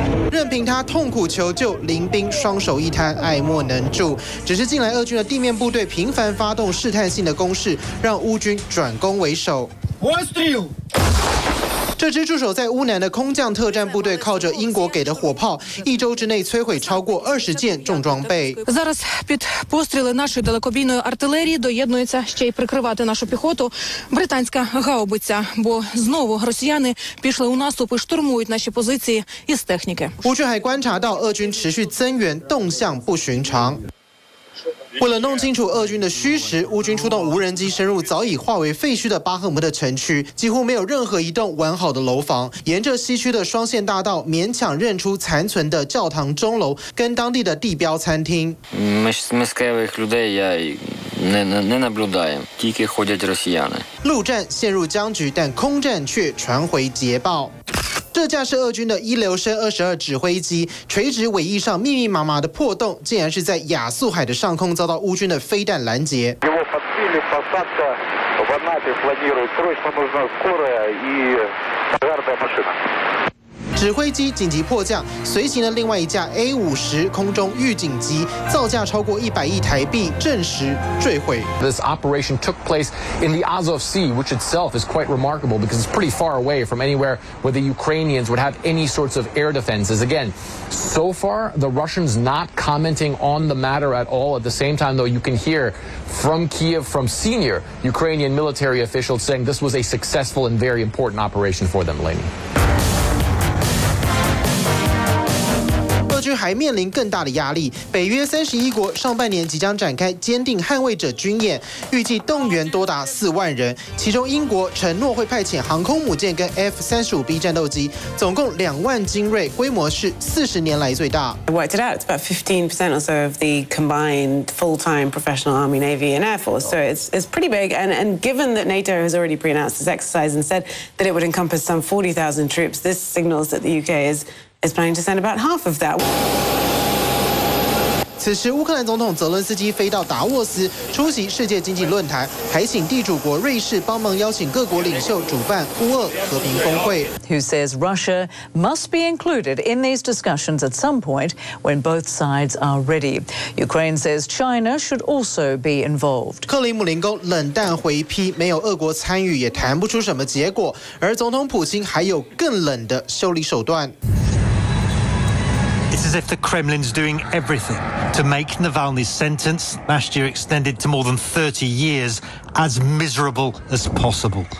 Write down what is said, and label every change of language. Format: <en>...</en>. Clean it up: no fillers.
<zh>任凭他痛苦求救，林兵双手一摊，爱莫能助。只是近来俄军的地面部队频繁发动试探性的攻势，让乌军转攻为守。这支驻守在乌南的空降特战部队，靠着英国给的火炮，一周之内摧毁超过20件重装备。</zh> <uk>Зараз під постріли нашої далекобійної артилерії доєднується ще й прикривати нашу піхоту британська гаубиця, бо знову росіяни пішли у наступ і штурмують наші позиції із техніки.</uk> <zh>乌军还观察到俄军持续增援，动向不寻常。为了弄清楚俄军的虚实，乌军出动无人机深入早已化为废墟的巴赫姆特城区，几乎没有任何一栋完好的楼房。沿着西区的双线大道，勉强认出残存的教堂钟楼跟当地的地标餐厅。陆战陷入僵局，但空战却传回捷报。这架是俄军的伊留申22指挥机，垂直尾翼上密密麻麻的破洞，竟然是在亚速海的上空遭到乌军的飞弹拦截。指挥机紧急迫降，随行的另外一架 A50 空中预警机，造价超过100亿台币，证实坠毁。</zh> <en>This operation took place in the Azov Sea, which itself is quite remarkable because it's pretty far away from anywhere where the Ukrainians would have any sorts of air defenses. Again, so far the Russians not commenting on the matter at all. At the same time, though, you can hear from Kiev from senior Ukrainian military officials saying this was a successful and very important operation for them, Lainey.</en> <zh>还面临更大的压力，北约31国上半年即将展开坚定捍卫者军演，预计动员多达4万人，其中英国承诺会派遣航空母舰跟 F-35B 战斗机，总共2万精锐，规模是40年来最大。</zh> <en>I worked it out, it's about 15% or so of the combined full-time professional army, navy, and air force. So it's pretty big. And given that NATO has already pre-announced this exercise and said that it would encompass some 40,000 troops, this signals that the UK is planning to send about half of that.</en> <zh>此时，乌克兰总统泽伦斯基飞到达沃斯出席世界经济论坛，还请地主国瑞士帮忙邀请各国领袖主办乌俄和平峰会。</zh> <en>Who says Russia must be included in these discussions at some point when both sides are ready? Ukraine says China should also be involved.</en> <zh>克里姆林宫冷淡回批，没有俄国参与也谈不出什么结果。而总统普京还有更冷的修理手段。</zh> <en>It's as if the Kremlin's doing everything to make Navalny's sentence, last year extended to more than 30 years, as miserable as possible.</en>